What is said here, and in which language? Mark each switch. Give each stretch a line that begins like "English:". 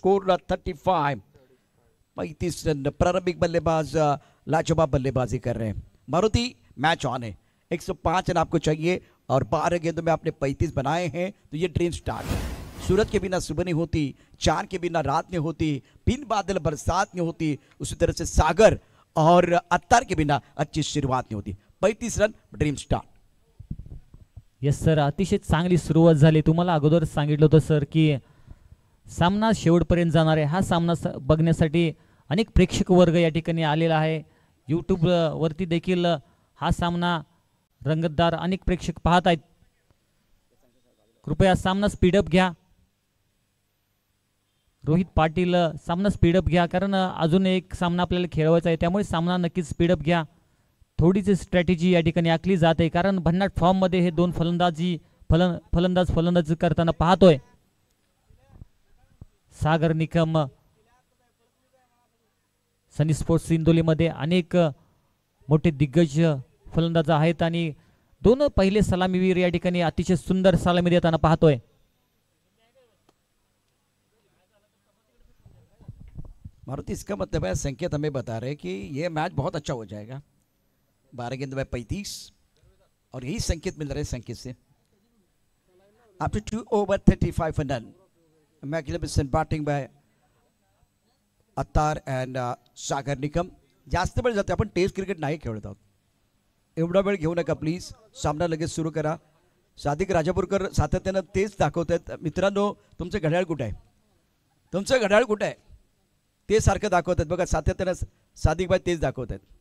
Hindi: Score 35-35 run. प्रारंभिक बल्लेबाज लाजवाब बल्लेबाजी कर रहे हैं, मारुति मैच ऑन है, 105 रन आपको चाहिए और 12 गेंदों में आपने 35 बनाए हैं तो ये ड्रीम स्टार्ट. सूरज के बिना सुबह नहीं होती, चांद के बिना रात नहीं होती, बिन बादल बरसात नहीं होती, उसी तरह से सागर और अत्तर के बिना अच्छी शुरुआत नहीं होती, 35 run dream start.
Marathi: Yes sir, अतिशय चांगली सुरुवात झाली, तुम्हाला अगोदर सांगितलं होतं सर की सामना शेवटपर्यंत जाणार आहे, हा सामना बघण्यासाठी अनेक प्रेक्षक वर्ग या ठिकाणी आलेला आहे, यूट्यूबवरती देखील हा सामना रंगतदार अनेक प्रेक्षक पाहत आहेत, कृपया सामना स्पीडअप घ्या रोहित पाटील, सामना स्पीडअप घ्या, कारण अजून एक सामना आपल्याला खेळवायचा आहे, त्यामुळे सामना नक्कीच स्पीडअप घ्या. थोडीशी स्ट्रॅटेजी या ठिकाणी आखली जाते, कारण भन्नाट फॉर्ममध्ये हे 2 फलंदाजी फलंदाज करताना पाहतोय. सागर निकम सनी स्पोर्ट्स इंदोलीमध्ये अनेक मोठे दिग्गज फलंदाज आहेत आणि 2 पहिले सलामीवीर या ठिकाणी अतिशय सुंदर सलामी देताना पाहतोय.
Hindi: मारुती, इसका मतलब है, संकेत हमें बता रहे की ये मैच बहुत अच्छा हो जाएगा, 12 गेंद में 35 और यही संकेत मिल रहे संकेत से.
English: After 2 over 35 run magnificent batting by Attar and Sagar Nikam.
Marathi: जास्त वेळ जाते आपण टेस्ट क्रिकेट नाही खेळत आहोत, एवढा वेळ घेऊ नका प्लीज, सामना लगेच सुरू करा. सादिक राजापूरकर सातत्यानं तेच दाखवत आहेत, मित्रांनो तुमचं घड्याळ कुठं आहे, तुमचं घड्याळ कुठं आहे, ते सारखं दाखवत आहेत बघा सातत्यानं, सादिकबाई तेच दाखवत आहेत.